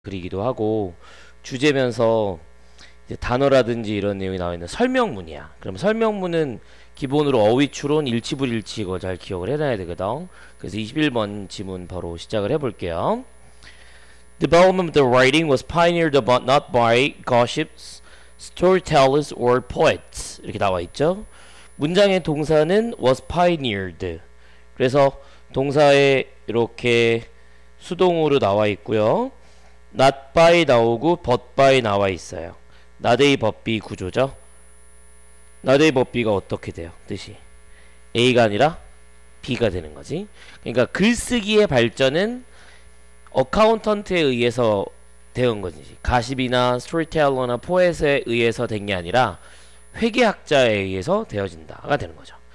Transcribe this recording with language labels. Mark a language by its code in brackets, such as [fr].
[ko] 그리기도 하고, 주제면서 이제 단어라든지 이런 내용이 나와 있는 설명문이야. 그럼 설명문은 기본으로 어휘추론 일치불일치 이거 잘 기억을 해놔야 되거든. 그래서 21번 지문 바로 시작을 해볼게요. [en] Development of the writing was pioneered but not by gossips, storytellers, or poets. [ko] 이렇게 나와 있죠. 문장의 동사는 was pioneered. 그래서 동사에 이렇게 수동으로 나와 있고요. not by 나오고 but by 나와 있어요. not a but b 구조죠. not a but b 가 어떻게 돼요? 뜻이 a가 아니라 b가 되는 거지. 그러니까 글쓰기의 발전은 어카운턴트에 의해서 된 거지. 가십이나 스토리텔러나 포엣에 의해서 된게 아니라 회계학자에 의해서 되어진다가 되는 거죠.